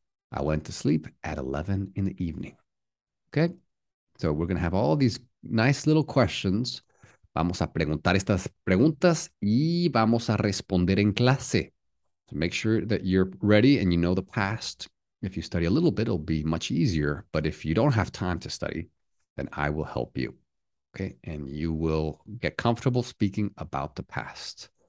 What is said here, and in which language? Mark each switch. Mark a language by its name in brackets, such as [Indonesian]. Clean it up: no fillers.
[English] I went to sleep at 11 in the evening. Okay? So we're going to have all these nice little questions. [Spanish] Vamos a preguntar estas preguntas y vamos a responder en clase. [English] So make sure that you're ready and you know the past. If you study a little bit, it'll be much easier. But if you don't have time to study, then I will help you. Okay? And you will get comfortable speaking about the past.